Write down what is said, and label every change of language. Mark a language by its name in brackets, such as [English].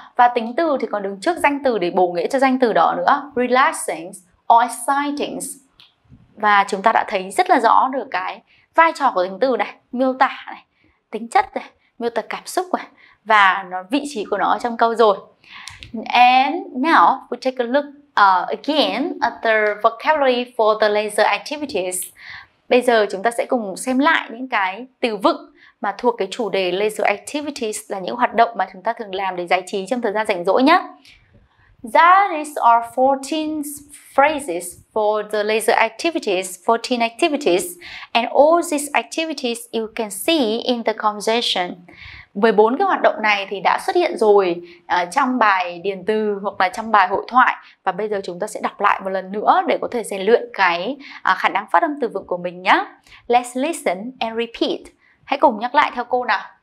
[Vietnamese] Và tính từ thì còn đứng trước danh từ để bổ nghĩa cho danh từ đó nữa, [English] relaxing or exciting. [Vietnamese] Và chúng ta đã thấy rất là rõ được cái vai trò của tính từ này, miêu tả này, tính chất này, miêu tả cảm xúc này, và nó vị trí của nó trong câu rồi. [English] And now we take a look again at the vocabulary for the leisure activities. [Vietnamese] Bây giờ chúng ta sẽ cùng xem lại những cái từ vựng mà thuộc cái chủ đề leisure activities, là những hoạt động mà chúng ta thường làm để giải trí trong thời gian rảnh rỗi nhé. [English] That is our 14 phrases for the leisure activities, 14 activities, and all these activities you can see in the conversation. [Vietnamese] 14 cái hoạt động này thì đã xuất hiện rồi trong bài điền từ hoặc là trong bài hội thoại. Và bây giờ chúng ta sẽ đọc lại một lần nữa để có thể rèn luyện cái khả năng phát âm từ vựng của mình nhé. [English] Let's listen and repeat. [Vietnamese] Hãy cùng nhắc lại theo cô nào.